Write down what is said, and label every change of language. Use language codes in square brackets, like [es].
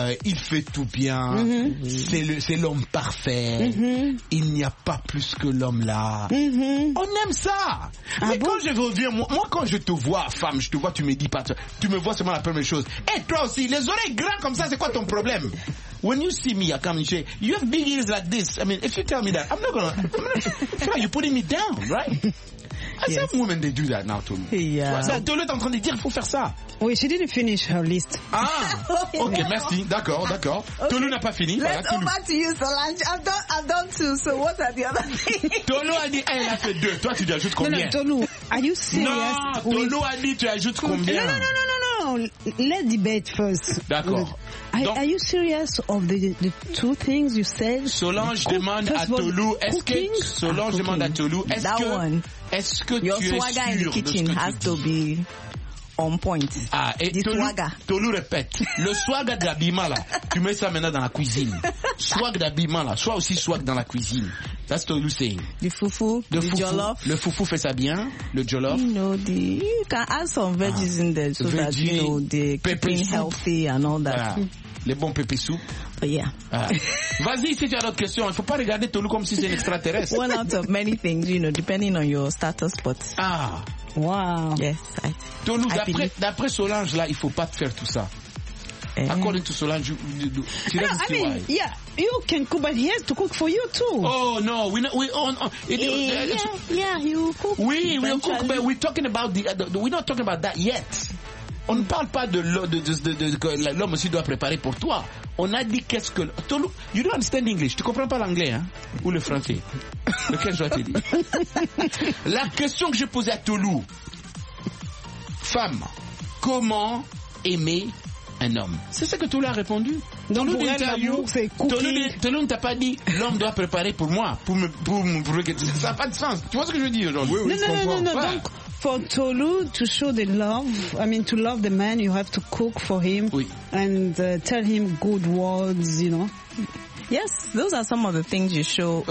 [fr] Il fait tout bien. C'est l'homme parfait. Il n'y a pas plus que l'homme là. On aime ça. Ah mais bon? Quand je reviens, moi quand je te vois, femme, je te vois, tu me dis pas, tu me vois seulement la première chose. Et toi aussi, les oreilles grandes comme ça, c'est quoi ton problème? [en] When you see me, I come and say, you have big ears like this. I mean, if you tell me that, I'm not gonna, you're putting me down, right? Yes. Some women, they do that now to me. Yeah. [fr] Tolu est en train de dire, faut faire ça. Oui, [en] she didn't finish her list. [fr] Ah, ok, merci. D'accord, d'accord. Okay. Tolu n'a pas fini. [en] Let's go back to you, Solange. I've done two, so what are the other things? [fr] Tolu a dit, elle a fait deux. Toi, tu dis, ajoutes combien? Non, [en] Tolu, are you serious? [fr] Non, Tolu a dit, tu ajoutes combien? [en] No, let's debate first. [fr] D'accord. [en] Are you serious of the two things you said? [fr] Solange demande à Tolu, est-ce que [en] your [fr] tu es sûr? [en] Your swagger in the kitchen has to be on point. [fr] Ah, et Tolu répète, le swagger d'habillement là, tu mets ça maintenant dans la cuisine. Swag d'habillement là, soit aussi swag dans la cuisine. [en] That's Tolu saying. The foufou, the jollof. [fr] Le foufou fait ça bien, le jollof. [en] You know, you can add some veggies in there so veggie, that you know they keeping healthy and all that. Ah, [fr] les bons pépé soup. [en] Yeah. Ah. [fr] Vas-y, si tu as d'autres questions, il ne faut pas regarder Tolu comme si c'est un extraterrestre. [en] One out of many things, you know, depending on your status, but... Ah. Wow. Yes, [fr] Tolu, d'après Solange, là, il ne faut pas te faire tout ça. [en] According to Solange, yeah, you can cook, but he has to cook for you too. Oh no, we cook, but we're talking about we're not talking about that yet. [fr] On ne parle pas de l'homme aussi doit préparer pour toi. On a dit qu'est-ce que Tolu, [en] you don't understand English. [fr] Tu comprends pas l'anglais, hein, ou le français. Lequel je dois te dire? La question que j'ai posée à Tolu, femme, comment aimer un homme? C'est ça que Tolu a répondu. Donc pour elle, l'amour, c'est cooking. Tolu ne t'a pas dit, l'homme doit préparer pour moi, pour me... Ça n'a pas de sens. Tu vois ce que je veux dire aujourd'hui? Oui, non. Voilà. Donc, [en] for Tolu to show the love, I mean, to love the man, you have to cook for him. [fr] Oui. [en] And tell him good words, you know. Yes, those are some of the things you show.